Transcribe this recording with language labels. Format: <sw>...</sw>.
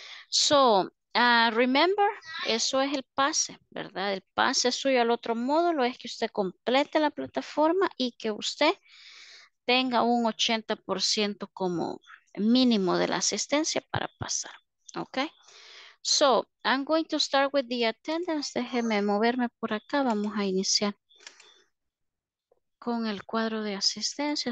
<en>So, remember,</en> <es>eso es el pase, ¿verdad? El pase suyo al otro módulo es que usted complete la plataforma y que usted tenga un 80% como mínimo de la asistencia para pasar.</es> <en>Okay, so I'm going to start with the attendance.</en> <es>Déjeme moverme por acá. Vamos a iniciar con el cuadro de asistencia.</es>